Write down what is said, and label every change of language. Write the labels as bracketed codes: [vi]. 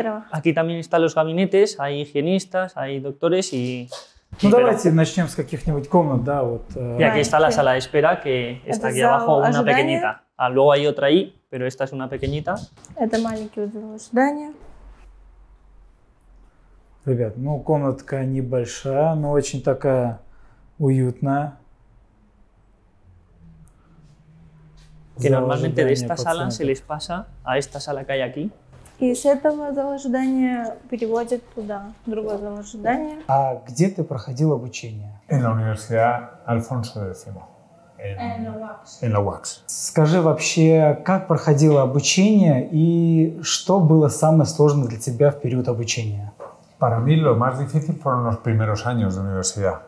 [es] Aquí también están los gabinetes, hay higienistas, hay doctores y... [ru] Ну, давайте начнем с каких-нибудь комнат, да, вот. И [es] aquí está la sala de espera, que está aquí abajo, una pequeñita. [ru] А [es] luego hay otra ahí, pero esta es una pequeñita. [ru] Это маленький зал ожидания. Ребят, ну, комнатка небольшая, но очень такая уютная. [es] Que normalmente de esta sala se les pasa a esta sala que hay aquí. [ru] И с этого зала ожидания переводят туда, другое зал ожидания. А где ты проходил обучение? [es] En la Universidad Alfonso X. En la UAX. [ru] Скажи вообще, как проходило обучение и что было самое сложное для тебя в период обучения? [es] Para mí lo más difícil fueron los primeros años de universidad.